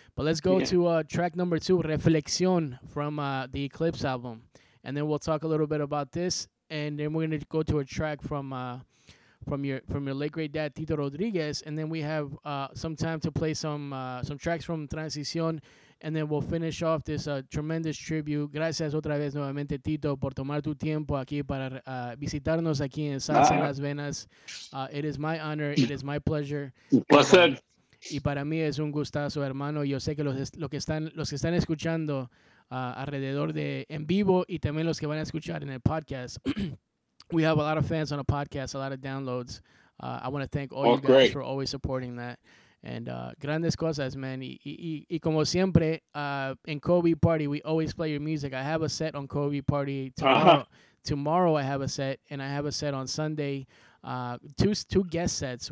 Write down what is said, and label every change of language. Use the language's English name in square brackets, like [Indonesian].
[English] But let's go to track number 2, Reflexión, from the Eclipse album, and then we'll talk a little bit about this, and then we're gonna go to a track from your late great dad Tito Rodriguez, and then we have some time to play some tracks from Transición. And then we'll finish off this tremendous tribute. [Spanish] Gracias otra vez nuevamente, Tito, por tomar tu tiempo aquí para visitarnos aquí en Salsa Las Venas. [English] It is my honor. It is my pleasure. [Spanish] Placer. Y para mí es un gustazo, hermano. Yo sé que los que están escuchando alrededor de en vivo y también los que van a escuchar en el podcast. [English] We have a lot of fans on a podcast, a lot of downloads. I want to thank all you guys great. For always supporting that. And [Spanish] grandes cosas, [English] man. [Spanish] Y como siempre, [English] in Kobe Party, we always play your music. I have a set on Kobe Party tomorrow. Uh-huh. Tomorrow I have a set, and I have a set on Sunday. Two guest sets.